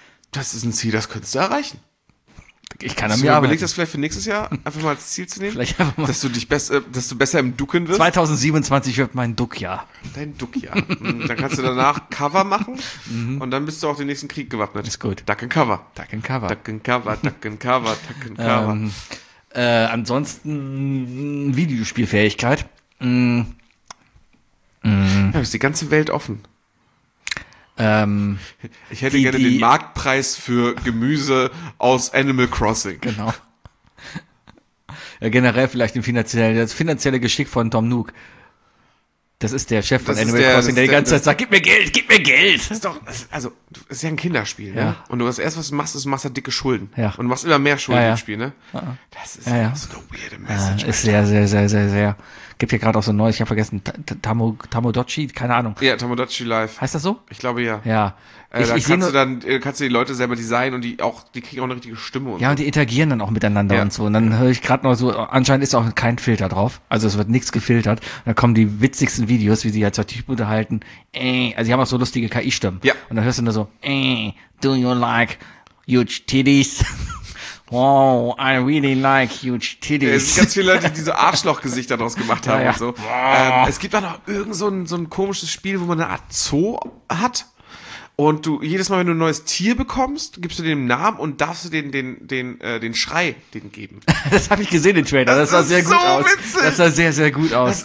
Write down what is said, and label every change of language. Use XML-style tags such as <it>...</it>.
<de>Das ist ein Ziel, das könntest du erreichen. Ich kann an mir arbeiten. Überleg das vielleicht für nächstes Jahr, einfach mal als Ziel zu nehmen? Vielleicht einfach mal. Dass du besser im Ducken wirst? 2027 wird mein Duckjahr. Dein Duckjahr. Dann kannst du danach Cover machen und dann bist du auch den nächsten Krieg gewappnet. Ist gut.</de> <en>Duck and Cover. Duck and Cover. Duck and Cover, Duck and Cover, Duck and Cover.</en> <de>Ansonsten Videospielfähigkeit. Ja, ist die ganze Welt offen. Ich hätte gerne den Marktpreis für Gemüse aus Animal Crossing. Genau. Ja, generell vielleicht das finanzielle Geschick von Tom Nook. Das ist der Chef von Animal Crossing, der die ganze Zeit sagt, gib mir Geld. Das ist ja ein Kinderspiel, ne? Ja. Und das Erste, was du machst, ist, du machst halt dicke Schulden. Ja. Und du machst immer mehr Schulden im Spiel, ne? Das ist so eine weirde Message. Ist sehr. Gibt hier gerade auch so ein neues, ich habe vergessen, Tamodachi, keine Ahnung. Ja, Tamodachi Live. Heißt das so? Ich glaube, ja. Ja. Kannst du die Leute selber designen und die kriegen auch eine richtige Stimme. Und die interagieren dann auch miteinander und so. Und dann höre ich gerade noch so, anscheinend ist auch kein Filter drauf. Also es wird nichts gefiltert. Und dann kommen die witzigsten Videos, wie sie halt zwei Typen unterhalten. Also die haben auch so lustige KI-Stimmen. Ja.</de> <en>Und dann hörst du nur so, do you like huge titties? Wow, I really like huge titties.</en> <de>Es gibt ganz viele Leute, die so Arschlochgesichter draus gemacht haben und so. Es gibt auch noch irgend so ein komisches Spiel, wo man eine Art Zoo hat. Und du jedes Mal, wenn du ein neues Tier bekommst, gibst du dem Namen und darfst du den Schrei den geben. Das habe ich gesehen im Trailer. Das sah sehr gut aus. Witzig. Das sah sehr, sehr gut aus.</de>